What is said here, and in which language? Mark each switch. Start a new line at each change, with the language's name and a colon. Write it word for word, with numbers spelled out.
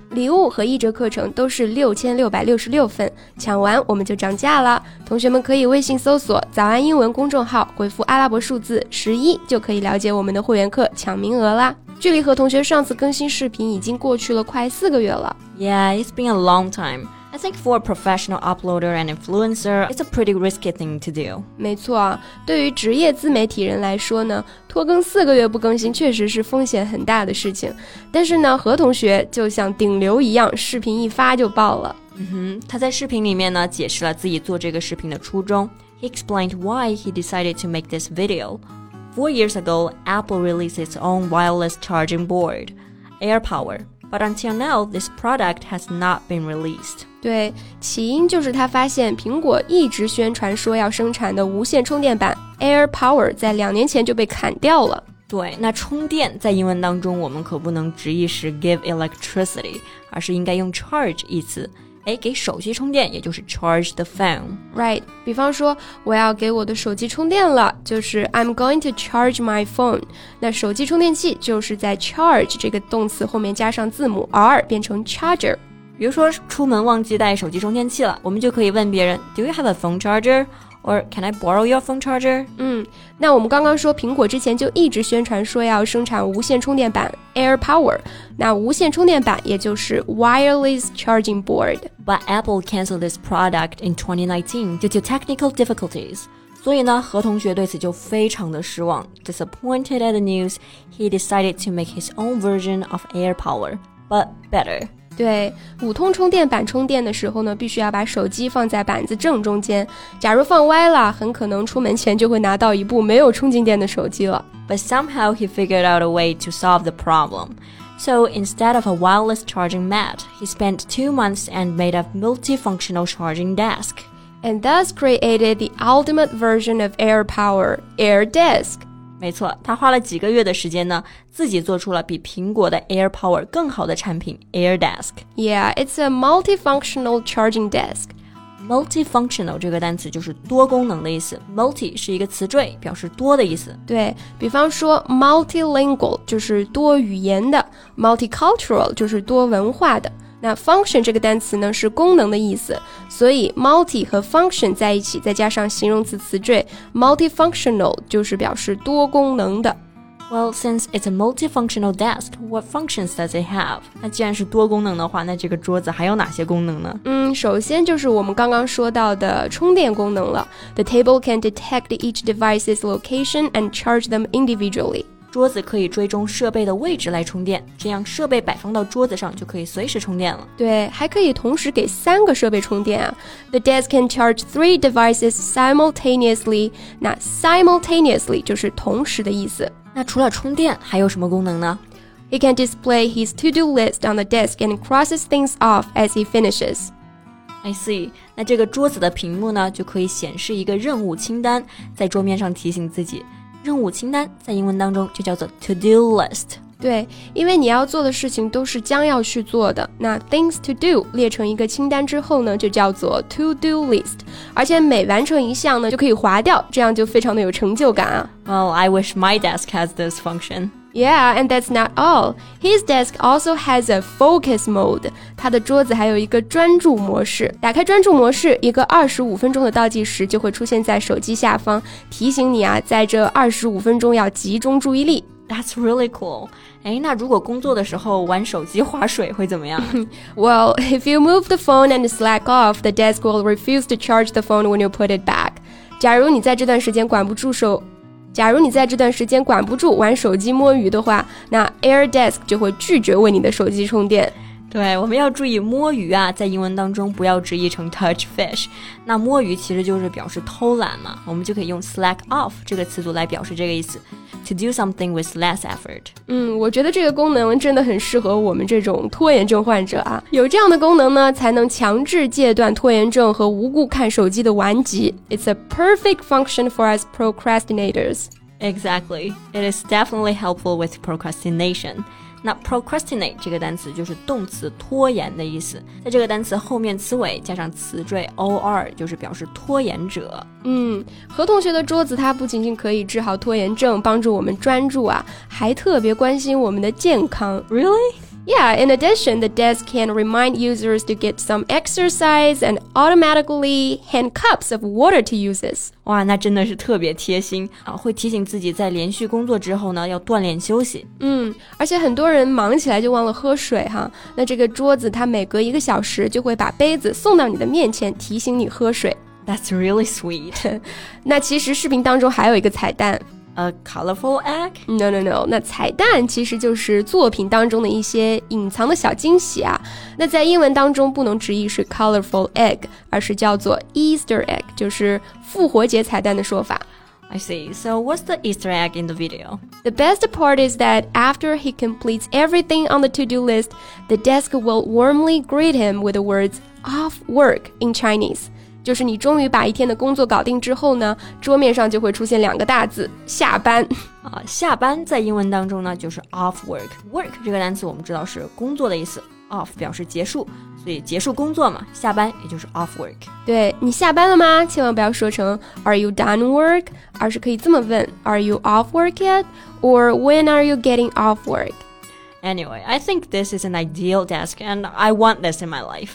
Chinese: 礼物和一折课程都是六千六百六十六份，抢完我们就涨价了。同学们可以微信搜索早安英文公众号，回复阿拉伯数字十一就可以了解我们的会员课抢名额啦。距离何同学上次更新视频已经过去了快四个月了。
English: Yeah, it's been a long time. I think for a professional uploader and influencer, it's a pretty risky thing to do.
Chinese: 没错啊，对于职业自媒体人来说呢，拖更四个月不更新确实是风险很大的事情。但是呢，何同学就像顶流一样，视频一发就爆了。嗯哼，他在视频里面呢，解释了自己做这个视频的初衷。
English: He explained why he decided to make this video. Four years ago, Apple released its own wireless charging board, AirPower. But until now, this product has not been released.
Chinese: 对，起因就是他发现苹果一直宣传说要生产的无线充电板 AirPower 在两年前就被砍掉了。对，那充电在英文当中我们可不能直译是 give electricity, 而是应该用 charge 一词。诶，给手机充电也就是
English: charge the phone.
Chinese: Right, 比方说我要给我的手机充电了，就是
English: I'm going to charge my phone.
Chinese: 那手机充电器就是在 charge 这个动词后面加上字母 R 变成 charger. 比如说出门忘记带手机充电器了，我们就可以问别人
English: Do you have a phone charger? or can I borrow your phone charger?
Chinese: 嗯，那我们刚刚说苹果之前就一直宣传说要生产无线充电板 Air Power， 那无线充电板也就是 wireless charging board.
English: But Apple canceled this product in twenty nineteen due to technical difficulties.
Chinese: 所以呢，何同学对此就非常的失望。
English: Disappointed at the news, he decided to make his own version of Air Power, but better.
Chinese: 对，五通充电板充电的时候呢，必须要把手机放在板子正中间。假如放歪了，很可能出门前就会拿到一部没有充进电的手机了。
English: But somehow he figured out a way to solve the problem. So instead of a wireless charging mat, he spent two months and made a multifunctional charging desk. And thus created the ultimate version of Air Power, Air Desk.
Chinese: 没错，他花了几个月的时间呢，自己做出了比苹果的 Air Power 更好的产品 Air Desk.
English: Yeah, it's a multifunctional charging desk.
Chinese: Multifunctional 这个单词就是多功能的意思 multi 是一个词缀表示多的意思对比方说 multilingual 就是多语言的 multicultural 就是多文化的那 function 这个单词呢是功能的意思所以 multi 和 function 在一起再加上形容词词缀 multifunctional 就是表示多功能的
English: Well, since it's a multifunctional desk, what functions does it have?
Chinese: 那既然是多功能的话那这个桌子还有哪些功能呢嗯，首先就是我们刚刚说到的充电功能了
English: The table can detect each device's location and charge them individually
Chinese: 桌子可以追踪设备的位置来充电，这样设备摆放到桌子上就可以随时充电了。对，还可以同时给三个设备充电啊。
English: The desk can charge three devices simultaneously.
Chinese: 那 simultaneously 就是同时的意思。那除了充电，还有什么功能呢？
English: He can display his to-do list on the desk and crosses things off as he finishes. I see.
Chinese: 那这个桌子的屏幕呢，就可以显示一个任务清单，在桌面上提醒自己。任务清单在英文当中就叫做 to-do list 对因为你要做的事情都是将要去做的那
English: things to do
Chinese: 列成一个清单之后呢就叫做 to-do list 而且每完成一项呢就可以划掉这样就非常的有成就感啊
English: Well, I wish my desk has this function Yeah, and that's not all. His desk also has a focus mode.
Chinese: 他的桌子还有一个专注模式。打开专注模式，一个二十五分钟的倒计时就会出现在手机下方，提醒你啊，在这二十五分钟要集中注意力。
English: That's really cool.
Chinese: 诶，那如果工作的时候玩手机划水会怎么样？
English: Well, if you move the phone and slack off, the desk will refuse to charge the phone when you put it back.
Chinese: 假如你在这段时间管不住手假如你在这段时间管不住玩手机摸鱼的话那 Air Desk 就会拒绝为你的手机充电对我们要注意摸鱼啊在英文当中不要直译成 touch fish 那摸鱼其实就是表示偷懒嘛我们就可以用 slack off 这个词组来表示这个意思
English: to do something with less effort
Chinese: 嗯，我觉得这个功能真的很适合我们这种拖延症患者啊有这样的功能呢才能强制戒断拖延症和无故看手机的顽疾
English: It's a perfect function for us procrastinators Exactly It is definitely helpful with procrastination
Chinese: 那 procrastinate 这个单词就是动词拖延的意思在这个单词后面词尾加上词缀 or 就是表示拖延者嗯，何同学的桌子它不仅仅可以治好拖延症帮助我们专注啊还特别关心我们的健康
English: Really? Yeah, in addition, the desk can remind users to get some exercise and automatically hand cups of water to users.
Chinese: 哇，那真的是特别贴心啊！会提醒自己在连续工作之后呢，要锻炼休息。嗯，而且很多人忙起来就忘了喝水哈。那这个桌子它每隔一个小时就会把杯子送到你的面前，提醒你喝水。
English: That's really sweet.
Chinese: 那其实视频当中还有一个彩蛋。
English: A colorful egg? No, no, no.
Chinese: 那彩蛋其实就是作品当中的一些隐藏的小惊喜啊。那在英文当中不能直译是 colorful egg, 而是叫做 Easter egg, 就是复活节彩蛋的说法。
English: I see. So what's the Easter egg in the video? The best part is that after he completes everything on the to-do list, the desk will warmly greet him with the words off work in Chinese.
Chinese: 就是你终于把一天的工作搞定之后呢，桌面上就会出现两个大字，下班。啊，下班在英文当中呢，就是 off work。work 这个单词我们知道是工作的意思 ，off 表示结束，所以结束工作嘛，下班也就是 off work。对，你下班了吗？千万不要说成
English: Are you done work？
Chinese: 而是可以这么问
English: Are you off work yet？ Or when are you getting off work？ Anyway, I think this is an ideal desk, and I want this in my life.